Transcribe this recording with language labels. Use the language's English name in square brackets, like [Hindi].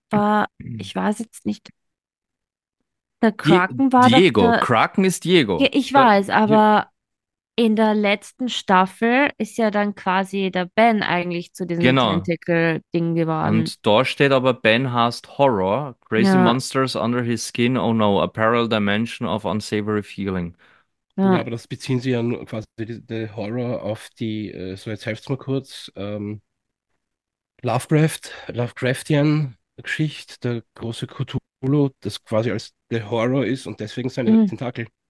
[German] war, ich weiß jetzt nicht, der Kraken war doch Diego, der. Kraken ist Diego. Ich weiß, aber in der letzten Staffel ist ja dann quasi der Ben eigentlich zu diesem Genau. Tentacle-Ding geworden. Und da steht aber, Ben hasst Horror. [English] Crazy [German] Ja. [English] monsters under his skin. Oh no, a parallel dimension of unsavory feeling. [German] Ja, Ja. aber das beziehen sie ja nur quasi die Horror auf die, so jetzt helft's mal kurz, Lovecraftian-Geschichte, der große Cthulhu, das quasi als der Horror ist und deswegen seine Tentakel.